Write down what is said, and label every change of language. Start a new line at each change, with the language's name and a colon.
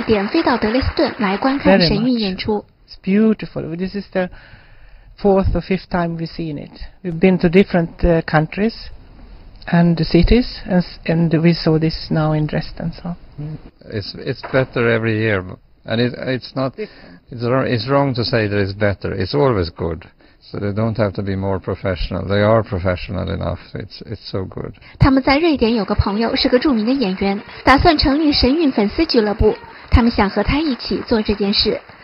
Chinese: 一对瑞典夫妇专门从瑞典飞到德累斯顿来观看神韵演出。
English: It's beautiful. This is the fourth or fifth time we've seen it. We've been to different countries and the cities, and we saw this now in Dresden. So it's better every year, and it's wrong to say that it's better. It's always good. So they don't have to be more professional. They are professional enough. It's so good.
Chinese: 他们在瑞典有个朋友是个著名的演员，打算成立神韵粉丝俱乐部。他们想和他一起做这件事。